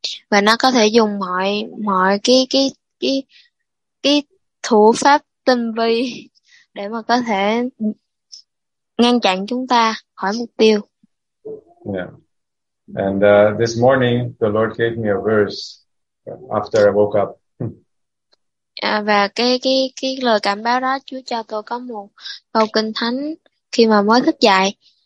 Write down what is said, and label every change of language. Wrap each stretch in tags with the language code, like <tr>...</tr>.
<vi>Và nó có thể dùng mọi mọi cái thủ pháp tinh vi để mà có thể ngăn chặn chúng ta khỏi mục tiêu.</vi> <en>Yeah. And this morning the Lord gave me a verse after I woke up.</en> <vi>Và cái lời cảnh báo đó Chúa cho tôi có một câu kinh thánh khi mà mới thức dậy.</vi>